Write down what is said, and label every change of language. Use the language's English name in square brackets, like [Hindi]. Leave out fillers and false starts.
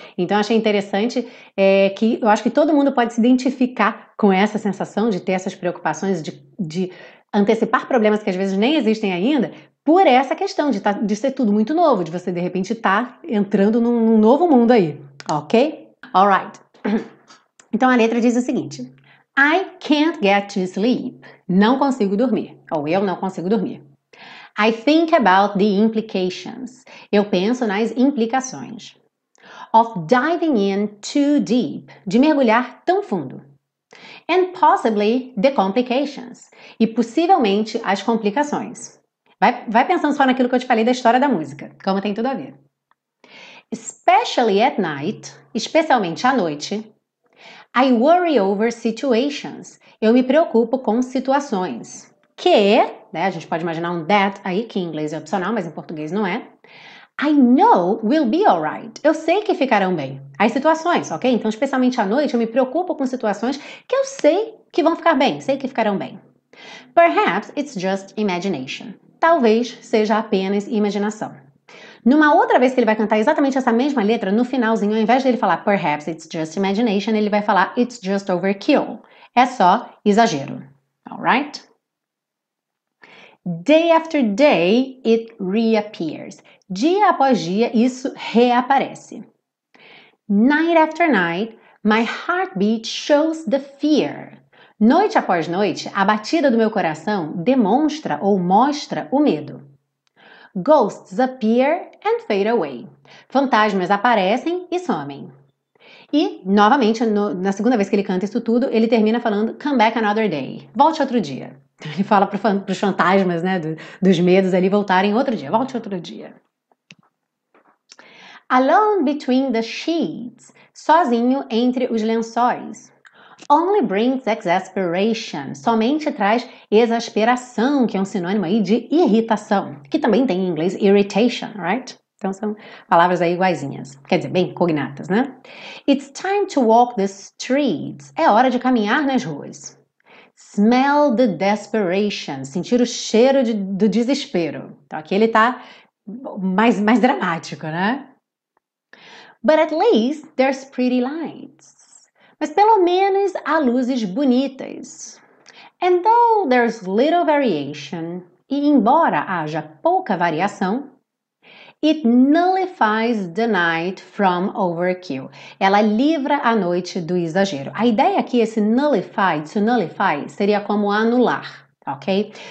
[Portuguese] Então achei interessante, que eu acho que todo mundo pode se identificar com essa sensação de ter essas preocupações, de antecipar problemas que às vezes nem existem ainda, por essa questão de ser tudo muito novo, de você de repente estar entrando num novo mundo aí, ok? Alright. Então a letra diz o seguinte: [English] I can't get to sleep. [Portuguese] Não consigo dormir. Ou eu não consigo dormir. [English] I think about the implications. [Portuguese] Eu penso nas implicações. [English] Of diving in too deep. [Portuguese] De mergulhar tão fundo. [English] And possibly the complications. [Portuguese] E possivelmente as complicações. Vai pensando só naquilo que eu te falei da história da música, como tem tudo a ver. [English] Especially at night, [Portuguese] especialmente à noite, [English] I worry over situations. [Portuguese] Eu me preocupo com situações. que, né, a gente pode imaginar um that aí, que em inglês é opcional, mas em português não é. [English] I know we'll be alright. [Portuguese] Eu sei que ficarão bem. As situações, ok? Então, especialmente à noite, eu me preocupo com situações que eu sei que vão ficar bem, sei que ficarão bem. [English] Perhaps it's just imagination. [Portuguese] Talvez seja apenas imaginação. Numa outra vez que ele vai cantar exatamente essa mesma letra, no finalzinho, ao invés dele falar [English] perhaps it's just imagination, [Portuguese] ele vai falar [English] it's just overkill. [Portuguese] É só exagero. Alright? [English] Day after day, it reappears. [Portuguese] Dia após dia, isso reaparece. [English] Night after night, my heartbeat shows the fear. [Portuguese] Noite após noite, a batida do meu coração demonstra ou mostra o medo. [English] Ghosts appear and fade away. [Portuguese] Fantasmas aparecem e somem. E, novamente, na segunda vez que ele canta isso tudo, ele termina falando [English] come back another day. [Portuguese] Volte outro dia. Ele fala para os fantasmas, né, dos medos ali voltarem outro dia. Volte outro dia. [English] Alone between the sheets. [Portuguese] Sozinho entre os lençóis. [English] Only brings exasperation. [Portuguese] Somente traz exasperação, que é um sinônimo aí de irritação. Que também tem em inglês irritation, right? Então são palavras aí iguaizinhas. Quer dizer, bem cognatas, né? [English] It's time to walk the streets. [Portuguese] É hora de caminhar nas ruas. [English] Smell the desperation. [Portuguese] Sentir o cheiro do desespero. Então aqui ele tá mais dramático, né? [English] But at least there's pretty lights. [Portuguese] Mas pelo menos há luzes bonitas. [English] And though there's little variation, [Portuguese] e embora haja pouca variação, [English] it nullifies the night from overkill. [Portuguese] Ela livra a noite do exagero. A ideia aqui, esse nullify, to nullify, seria como anular, ok?